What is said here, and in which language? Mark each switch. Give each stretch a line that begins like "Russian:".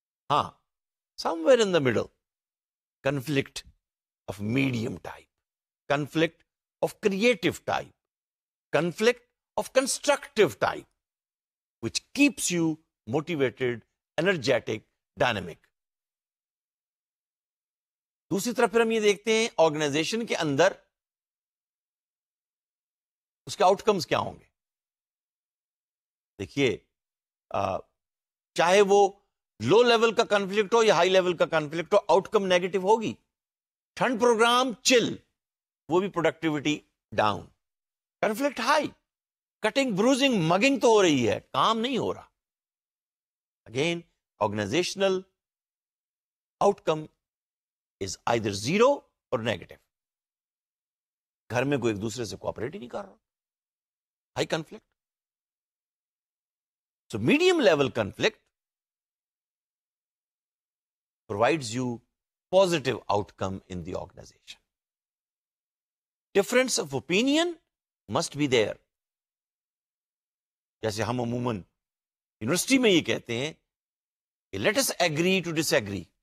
Urdu: ہاں,
English: Somewhere in the middle conflict of medium type, conflict of creative type, conflict of constructive type, which keeps you motivated, energetic, dynamic.
Urdu: دوسری طرف پھر ہم یہ دیکھتے ہیں آرگنائزیشن کے اندر اس کے آؤٹ کمس کیا ہوں گے. دیکھیے چاہے وہ لو لیول کا کنفلکٹ ہو یا ہائی لیول کا کنفلکٹ ہو، آؤٹ کم نیگیٹو ہوگی. ٹھنڈ پروگرام چل، وہ بھی productivity down, conflict high, cutting بروزنگ مگنگ تو ہو رہی ہے، کام نہیں ہو رہا.
English: Again organisational outcome is either zero or negative.
Urdu: گھر میں کوئی ایک دوسرے سے کوآپریٹ ہی نہیں کر رہا، high conflict.
English: So medium level conflict provides you positive outcome in the organization. Difference of opinion must be there.
Urdu: جیسے ہم عموماً یونیورسٹی میں یہ کہتے ہیں کہ
English: let us agree to disagree.